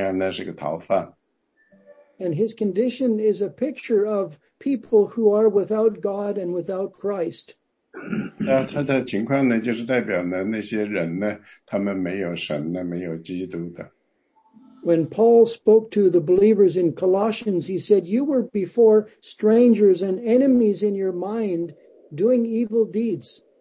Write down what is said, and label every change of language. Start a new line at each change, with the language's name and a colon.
Chinese: 因为那个米菲波设呢，他是呢一个敌人，同样呢是个瘸腿的，同样呢是个逃犯。
English: And his condition is a picture of people who are without God and without Christ.
Chinese: 他的情况呢，就是代表呢那些人呢，他们没有神呢，没有基督的。
English: When Paul spoke to the believers in Colossians, he said, "You were before strangers and enemies in your mind, doing evil deeds."